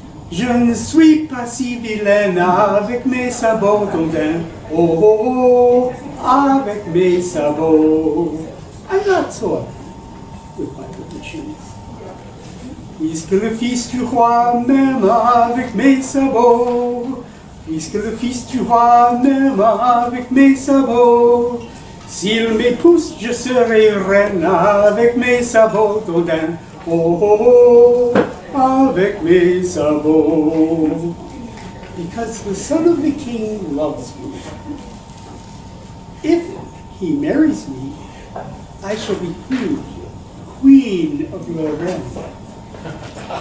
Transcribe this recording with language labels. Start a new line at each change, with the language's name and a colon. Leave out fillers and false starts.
French: Je ne suis pas si vilaine avec mes sabots. Dondin, oh, oh, oh, avec mes sabots.
English: I'm not so ugly with my wooden shoes.
French: Puisque le fils du roi m'aime avec mes sabots. Puisque le fils du roi m'aime avec mes sabots. S'il m'épouse, je serai reine avec mes sabots, Dodin. Oh, oh, oh, avec mes sabots.
English: Because the son of the king loves me. If he marries me, I shall be queen, queen of Lorraine.